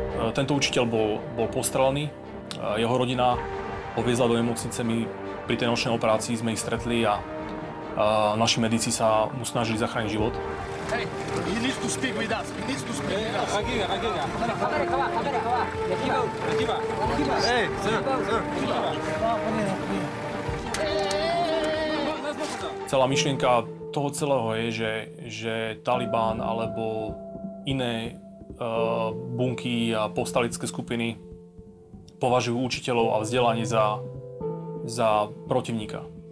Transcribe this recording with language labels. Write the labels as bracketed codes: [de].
[sk] Tento učiteľ bol postrelený. Jeho rodina ho viezla do nemocnice. Pri tej nočnej operácii sme ich stretli a naši medici sa mu snažili zachrániť život. [en] Hey, he needs to speak with us. He needs to speak with us. [sk] Celá myšlienka toho celého je, že Talibán alebo iné bunky a povstalecké skupiny považujú učiteľov a vzdelanie za protivníka.